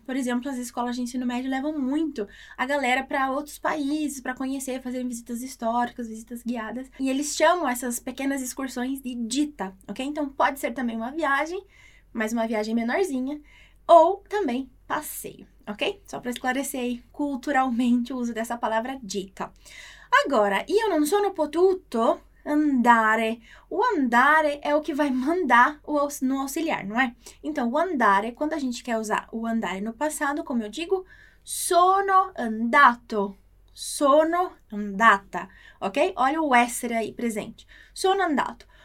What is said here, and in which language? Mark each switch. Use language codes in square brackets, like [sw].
[pt] Por exemplo, as escolas de ensino médio levam muito a galera para outros países, para conhecer, fazerem visitas históricas, visitas guiadas. E eles chamam essas pequenas excursões de dita, ok? Então, pode ser também uma viagem, mas uma viagem menorzinha, ou também passeio, ok? Só para esclarecer aí culturalmente o uso dessa palavra dita. [it] Agora, io non sono potuto andare. [pt] O andare é o que vai mandar no auxiliar, não é? Então, o andare, quando a gente quer usar o andare no passado, como eu digo, [it] sono andato. Sono andata, [pt] ok? Olha o essere aí presente. [it] Sono andato.